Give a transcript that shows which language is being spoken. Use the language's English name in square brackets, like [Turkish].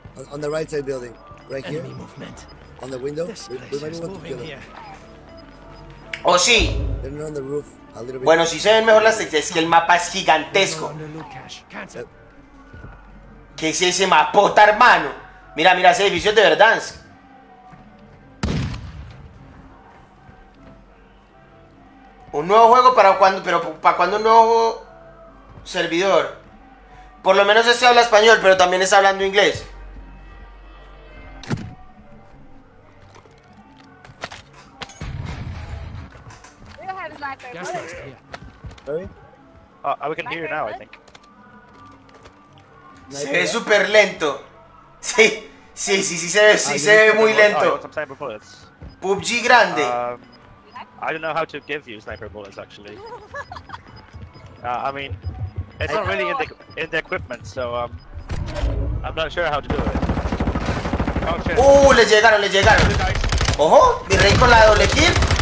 [English] On the right side building, right here. Enemy movement. On the window. We might want to kill them. [Spanish] Oh, sí. [English] They're on the roof. A little bit. [Spanish] Bueno, si se ven mejor las texturas, es que el mapa es gigantesco. ¿Qué es ese mapota, hermano? Mira, ese edificio es de Verdansk. Un nuevo juego para cuando, pero para cuando un nuevo servidor. Por lo menos este habla español, pero también está hablando inglés. [English] We can hear you now, I think. [Spanish] Se ve super lento. Sí, se ve muy lento. PUBG grande. [English] I don't know how to give you sniper bullets, actually. I mean, it's not really in the equipment, so I'm not sure how to do it. [Spanish] Les llegaron. Ojo, mi rey con la doble kill.